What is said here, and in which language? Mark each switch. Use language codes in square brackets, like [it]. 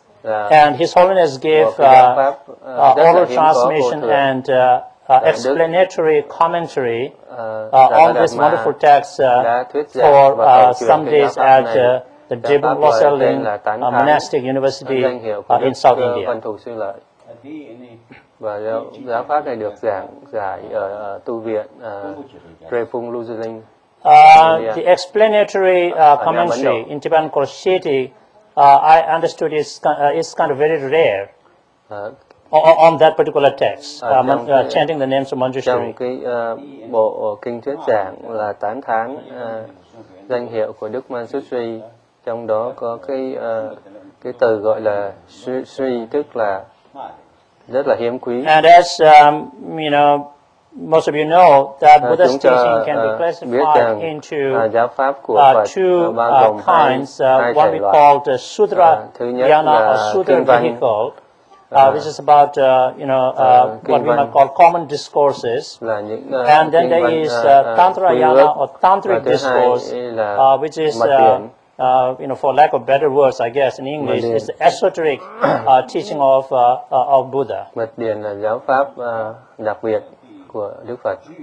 [en] And His Holiness gave oral transmission and explanatory commentary on this wonderful text for some days at the Dibun Losarling Monastic University in South India. [vi] Và giáo pháp này được giảng giải ở tu viện Prefung Luzerning. [en] The explanatory commentary in Tibetan called Shiti, I understood is kind of very rare on that particular text, chanting the names of Manjushri. [vi] Trong cái bộ kinh thuyết giảng là tán thán danh hiệu của Đức Manjushri, trong đó có cái từ gọi là Shri, tức là rất là hiếm quý. [en] And as you know, most of you know that Buddha's teaching can be classified into two kinds. One we call the Sutra Dhyana or Sutra Vehicle, which is about what we might call common discourses. And then there is Tantra Yana or Tantric Discourse, which is for lack of better words, I guess, in English, it's the esoteric teaching of Buddha. [vi] Mật điển là giáo pháp đặc biệt của Đức Phật.